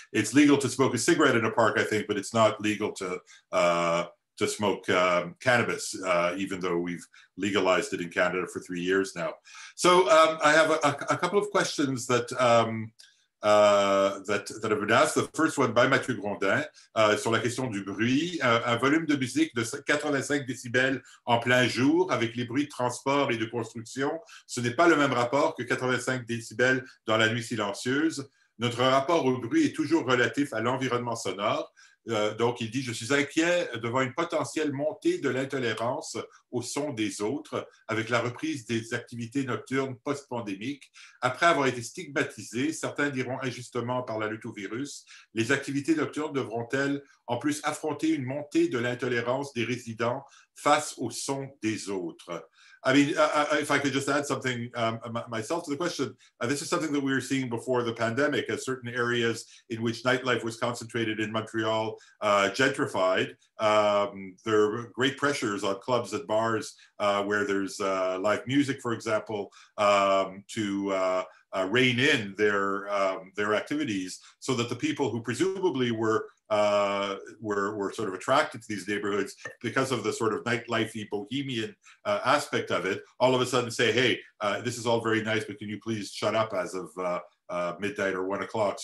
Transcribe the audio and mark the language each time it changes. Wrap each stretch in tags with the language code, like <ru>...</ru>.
<en>It's legal to smoke a cigarette in a park, I think, but it's not legal to smoke cannabis, even though we've legalized it in Canada for 3 years now. So I have a couple of questions that have been asked. The first one by Mathieu Grondin,</en> <fr>sur la question du bruit. Un volume de musique de 85 décibels en plein jour avec les bruits de transport et de construction, ce n'est pas le même rapport que 85 décibels dans la nuit silencieuse. Notre rapport au bruit est toujours relatif à l'environnement sonore. Donc, il dit, je suis inquiet devant une potentielle montée de l'intolérance au son des autres avec la reprise des activités nocturnes post-pandémiques. Après avoir été stigmatisé, certains diront injustement, par la lutte au virus, les activités nocturnes devront-elles en plus affronter une montée de l'intolérance des résidents face au son des autres?</fr> <en>I mean, if I could just add something myself to the question, this is something that we were seeing before the pandemic, as certain areas in which nightlife was concentrated in Montreal gentrified. There are great pressures on clubs and bars where there's live music, for example, to rein in their activities, so that the people who presumably were sort of attracted to these neighborhoods because of the sort of nightlife-y bohemian aspect of it, all of a sudden say, hey, this is all very nice, but can you please shut up as of midnight or 1 o'clock?</en>